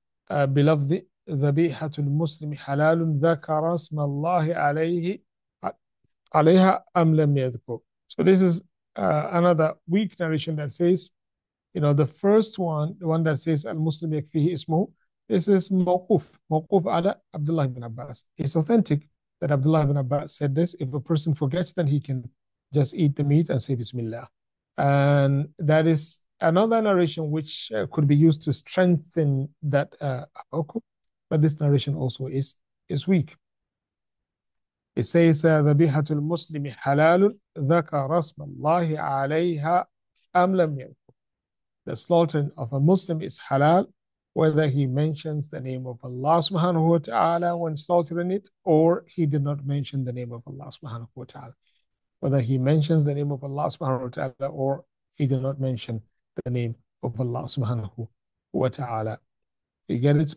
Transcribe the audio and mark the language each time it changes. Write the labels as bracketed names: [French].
[Arabic] بلفظ ذبيحة المسلم حلال ذكر اسم الله عليه عليها أم لم يذكر. [English] So this is another weak narration that says, you know, the first one, the one that says [Arabic] المسلم يكفيه اسمه, [English] this is موقوف, [Arabic] موقوف على عبد الله بن عباس. [English] It's authentic that Abdullah ibn Abbas said this. If a person forgets, then he can just eat the meat and say Bismillah. And that is another narration which could be used to strengthen that hukum. But this narration also is weak. It says, [Arabic] ذبيحة المسلم حلال ذكر اسم الله عليها أم لم يذكر. [English] The slaughtering of a Muslim is halal, whether he mentions the name of Allah subhanahu wa ta'ala when slaughtering it, or he did not mention the name of Allah subhanahu wa ta'ala. Whether he mentions the name of Allah subhanahu wa ta'ala, or he did not mention the name of Allah subhanahu wa ta'ala. You get it?